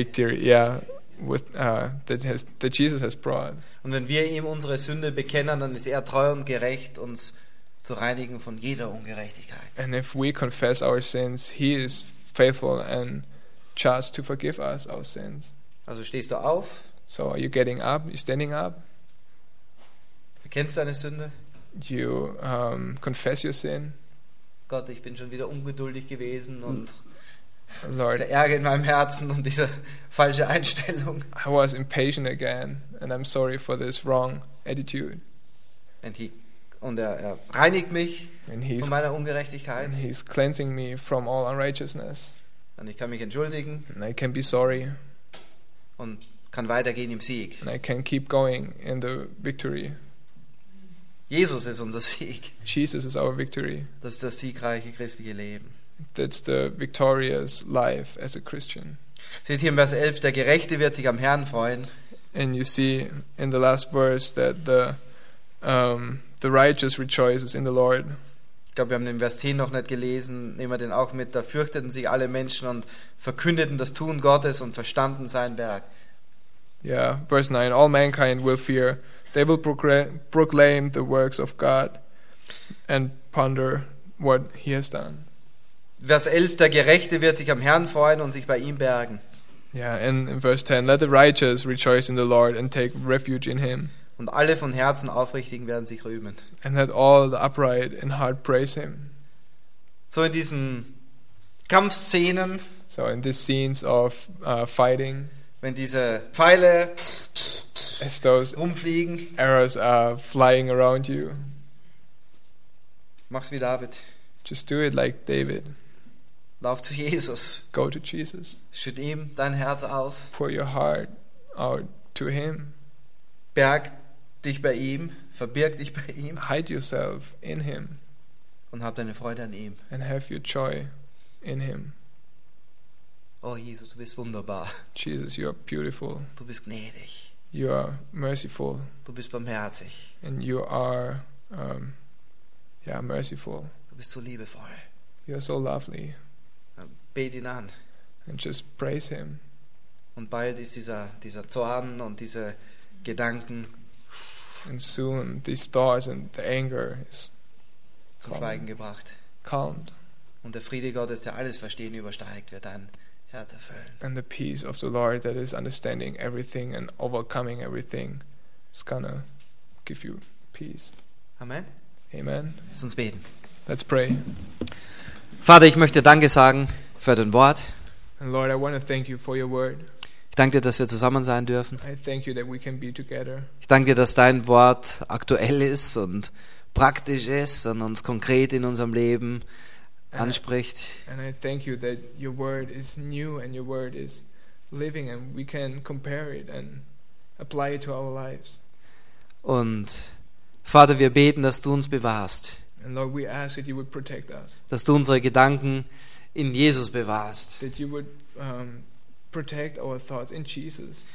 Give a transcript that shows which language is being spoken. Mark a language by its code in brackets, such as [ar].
[en] yeah, with that Jesus has brought. [de] Und wenn wir ihm unsere Sünde bekennen, dann ist er treu und gerecht, uns zu reinigen von jeder Ungerechtigkeit. [en] And if we confess our sins, he is faithful and just to forgive us our sins. [de] Also stehst du auf? [en] So are you getting up? You standing up? [de] Bekennst deine Sünde? [en] You confess your sin. [de] Gott, ich bin schon wieder ungeduldig gewesen und Lord, dieser Ärger in meinem Herzen und diese falsche Einstellung. [en] I was impatient again and I'm sorry for this wrong attitude. [de] Und er reinigt mich von meiner Ungerechtigkeit. [en] And he's cleansing me from all unrighteousness. [de] Und ich kann mich entschuldigen. [en] And I can be sorry. [de] Und kann weitergehen im Sieg. [en] And I can keep going in the victory. [de] Jesus ist unser Sieg. [en] Jesus is our victory. [de] Das ist das siegreiche christliche Leben. [en] That's the victorious life as a Christian. [de] Seht hier im Vers 11, der Gerechte wird sich am Herrn freuen. [en] And you see in the last verse that the righteous rejoices in the Lord. [de] Ich glaube, wir haben den Vers 10 noch nicht gelesen. Nehmen wir den auch mit. Da fürchteten sich alle Menschen und verkündeten das Tun Gottes und verstanden sein Werk. [en] Yeah, verse 9. All mankind will fear. They will proclaim the works of God. and ponder what he has done. [de] Vers 11, der Gerechte wird sich am Herrn freuen und sich bei ihm bergen. [en] Yeah, and in verse 10, let the righteous rejoice in the Lord and take refuge in him. [de] Und alle von Herzen aufrichtigen werden sich rühmen. [en] And let all the upright in heart praise him. [de] So in diesen Kampfszenen, [en] so in these scenes of fighting, [de] wenn diese Pfeile [en] as those [de] rumfliegen, [en] arrows are flying around you, [de] mach's wie David. [en] Just do it like David. [de] Lauf zu Jesus. [en] Go to Jesus. [de] Schütt ihm dein Herz aus. [en] Pour your heart out to him. [de] Berg dich bei ihm. Verbirg dich bei ihm. [en] Hide yourself in him. [de] Und hab deine Freude an ihm. [en] And have your joy in him. [de] Oh Jesus, du bist wunderbar. [en] Jesus, you are beautiful. [de] Du bist gnädig. [en] You are merciful. [de] Du bist barmherzig. [en] And you are merciful. [de] Du bist so liebevoll. [en] You are so lovely. [de] Bet ihn an. [en] And just praise him. [de] Und bald ist dieser Zorn und diese Gedanken. [en] And soon these thoughts and the anger is [de] zum Schweigen gebracht. [en] Calmed. [de] Und der Friede Gottes, der alles Verstehen übersteigt, wird dein Herz erfüllen. [en] And the peace of the Lord that is understanding everything and overcoming everything is gonna give you peace. [de] Amen. [en] Amen. [de] Lass uns beten. [en] Let's pray. [de] Vater, ich möchte Danke sagen für dein Wort. [en] And Lord, I want to thank you for your word. [de] Ich danke dir, dass wir zusammen sein dürfen. [en] I thank you that we can be together. [de] Ich danke dir, dass dein Wort aktuell ist und praktisch ist und uns konkret in unserem Leben anspricht. [en] And I thank you that your word is new and your word is living and we can compare it and apply it to our lives. [de] Und Vater, wir beten, dass du uns bewahrst. [en] And Lord, we ask that you would protect us. [de] Dass du unsere Gedanken in Jesus bewahrst. [en] That you would protect our thoughts in Jesus.